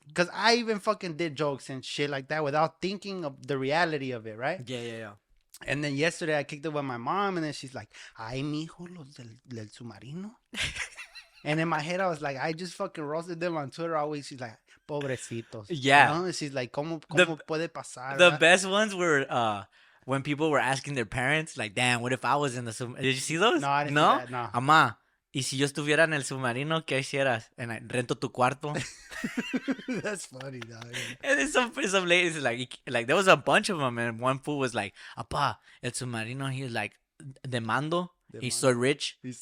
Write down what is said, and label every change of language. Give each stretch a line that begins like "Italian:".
English: Because I even fucking did jokes and shit like that without thinking of the reality of it, right? Yeah. And then yesterday I kicked it with my mom and then she's like,
Spanish: ay, mijo, los del submarino.
English: And in my head I was like, I just fucking roasted them on Twitter always. She's like,
Spanish: pobrecitos.
English: Yeah. You know? She's like,
Spanish: ¿Cómo puede pasar?
English: The best ones were, when people were asking their parents, like, damn, what if I was in the submarine? Did you see those? No, I didn't see that. No.
Spanish: Amá, ¿y si yo estuviera en el submarino, qué hicieras?
English: And I
Spanish: rento tu cuarto.
English: That's funny, dog. And then some ladies, like there was a bunch of them, and one fool was like,
Spanish: apá, el submarino,
English: he's like,
Spanish: demando,
English: he's so rich.